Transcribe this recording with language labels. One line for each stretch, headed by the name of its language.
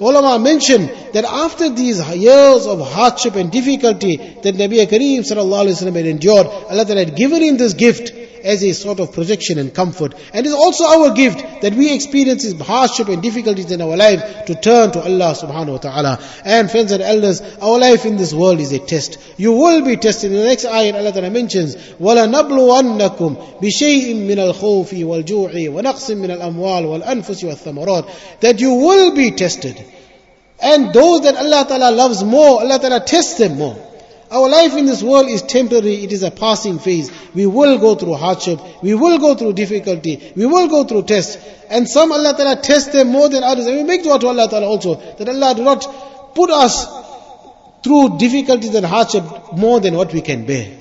English: Ulama mentioned that after these years of hardship and difficulty that Nabi Kareem sallallahu alayhi wa sallam had endured, Allah had given him this gift as a sort of protection and comfort. And it's also our gift that we experience this hardship and difficulties in our life to turn to Allah subhanahu wa ta'ala. And friends and elders, our life in this world is a test. You will be tested. In the next ayat, Allah ta'ala mentions,
Arabic: وَلَنَبْلُوَنَّكُمْ بِشَيْءٍ مِّنَ الْخَوْفِ وَالْجُوعِ وَنَقْصٍ مِّنَ الْأَمْوَالِ وَالْأَنفُسِ وَالثَّمَرَاتِ.
English: That you will be tested. And those that Allah ta'ala loves more, Allah ta'ala tests them more. Our life in this world is temporary, it is a passing phase. We will go through hardship, we will go through difficulty, we will go through tests. And some Allah Ta'ala tests them more than others. And we make dua to Allah Ta'ala also, that Allah do not put us through difficulties and hardship more than what we can bear.